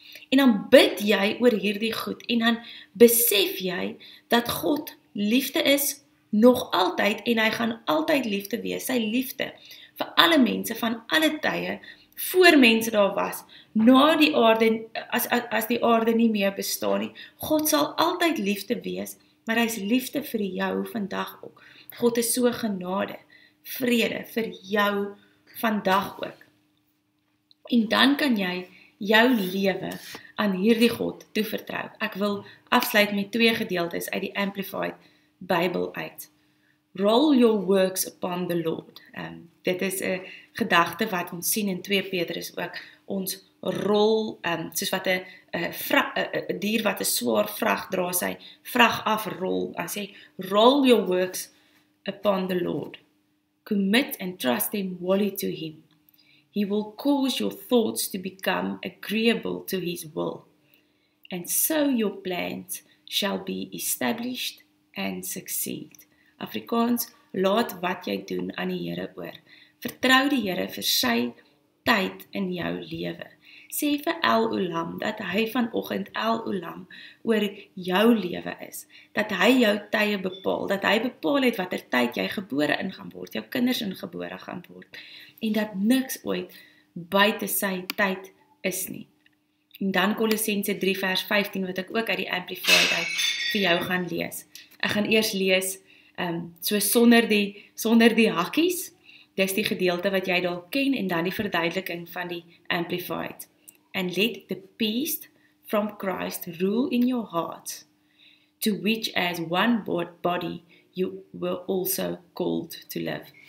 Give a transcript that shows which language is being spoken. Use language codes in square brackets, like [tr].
[af] En dan bid jy oor hierdie goed en dan besef jy dat God liefde is nog altyd en hy gaan altyd liefde wees, sy liefde vir alle mense van alle tye, voor mense daar was, na die aarde, as die aarde nie meer bestaan nie, God sal altyd liefde wees, maar hy is liefde vir jou vandag ook. God is so genade, vrede vir jou vandag ook. En dan kan jy jou lewe aan hierdie God toevertrou. Ek wil afsluit met twee gedeeltes uit die Amplified Bible uit. [en] Roll your works upon the Lord. [af] Dit is 'n gedagte wat ons sien in 2 Petrus ook. Ons rol, soos wat 'n dier wat 'n swaar vrag dra, sy vrag afrol. Hy sê, [en] roll your works upon the Lord. Commit and trust them wholly to him. He will cause your thoughts to become agreeable to his will. And so your plans shall be established and succeed. [af] Afrikaans, laat wat jy doen aan die Here oor. Vertrou die Here vir sy tyd in jou lewe. Sê vir El Olam dat hy vanoggend El Olam oor jou lewe is. Dat hy jou tye bepaal, dat hy bepaal het watter tyd jy gebore ingaan word, jou kinders ingebore gaan word. En dat niks ooit buite sy tyd is nie. En dan Kolossense 3 vers 15 wat ek ook uit die Amplified uit vir jou gaan lees. Ek gaan eers lees so sonder die hakkies. Dis die gedeelte wat jy dalk ken en dan die verduideliking van die Amplified. [en] And let the peace from Christ rule in your heart, to which as one body you were also called to live.